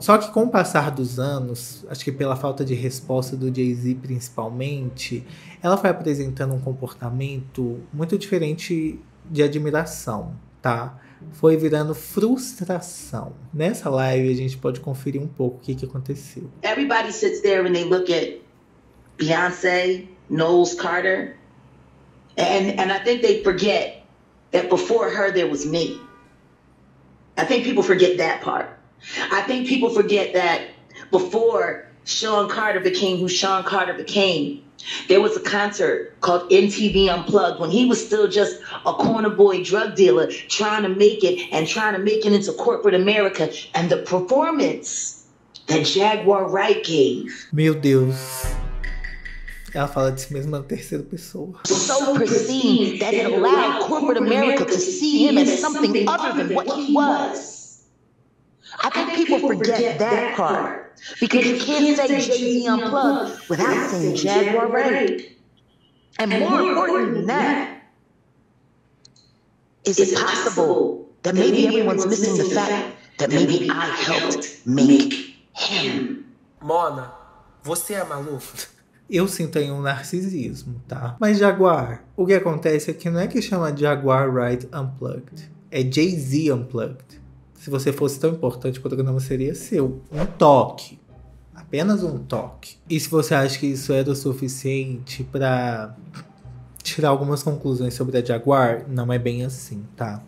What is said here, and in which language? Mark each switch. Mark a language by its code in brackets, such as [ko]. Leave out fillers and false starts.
[pt] Só que com o passar dos anos, acho que pela falta de resposta do Jay-Z principalmente, ela foi apresentando um comportamento muito diferente de admiração, tá? Foi virando frustração. Nessa live a gente pode conferir um pouco o que aconteceu. [en] Everybody sits there and they look at Beyoncé, Knowles Carter, and I think they forget that before her there was me. I think people forget that part. I think people forget that before Sean Carter became who Sean Carter became, there was a concert called MTV Unplugged when he was still just a corner boy drug dealer trying to make it and trying to make it into corporate America. And the performance that Jaguar Wright gave. [pt] Meu Deus. Ela fala de si mesma na terceira pessoa. [en] So pristine that it allowed corporate America to see him as something other than what he was. I think people forget that part. Because you can't say Jay-Z Unplugged without saying Jaguar Wright. And more important than that, is it possible that maybe everyone's missing the fact that maybe I helped make him? [pt] Mona, você é maluco? Eu sinto aí um narcisismo, tá? Mas Jaguar, o que acontece é que não é que chama Jaguar Wright Unplugged. É Jay-Z Unplugged. Se você fosse tão importante, o programa seria seu. Um toque. Apenas um toque. E se você acha que isso era o suficiente pra tirar algumas conclusões sobre a Jaguar, não é bem assim, tá?